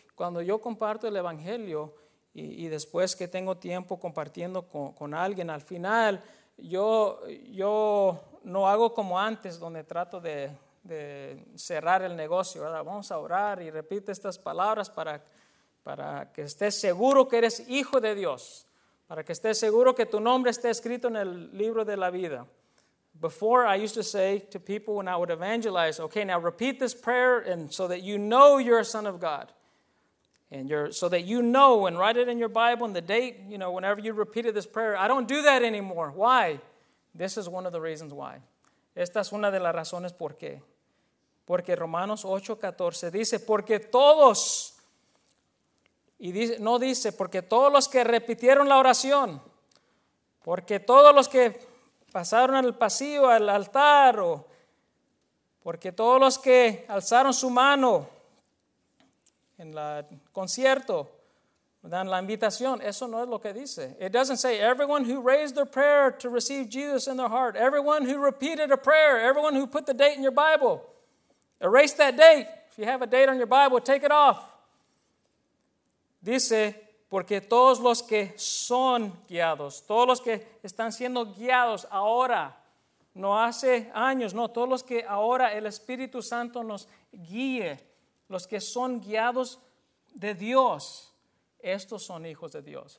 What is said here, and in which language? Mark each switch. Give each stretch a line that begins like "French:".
Spanish: Cuando yo comparto el Evangelio y después que tengo tiempo compartiendo con alguien, al final yo no hago como antes, donde trato de cerrar el negocio, ¿verdad? Vamos a orar y repite estas palabras para que estés seguro que eres hijo de Dios, para que estés seguro que tu nombre esté escrito en el libro de la vida.
English: Before, I used to say to people when I would evangelize, okay, now repeat this prayer and so that you know you're a son of God. And so that you know and write it in your Bible and the date, you know, whenever you repeated this prayer. I don't do that anymore. Why? This is one of the reasons why.
Spanish: Esta es una de las razones por qué. Porque Romanos 8:14 dice, porque todos, y dice, no dice, porque todos los que repitieron la oración, porque todos los que pasaron al pasillo, al altar, o porque todos los que alzaron su mano en el concierto, dan la invitación, eso no es lo que dice.
English: It doesn't say everyone who raised their prayer to receive Jesus in their heart, everyone who repeated a prayer, everyone who put the date in your Bible, erase that date. If you have a date on your Bible, take it off.
Spanish: Dice, porque todos los que son guiados, todos los que están siendo guiados ahora, no hace años, no, todos los que ahora el Espíritu Santo nos guíe, los que son guiados de Dios, estos son hijos de Dios.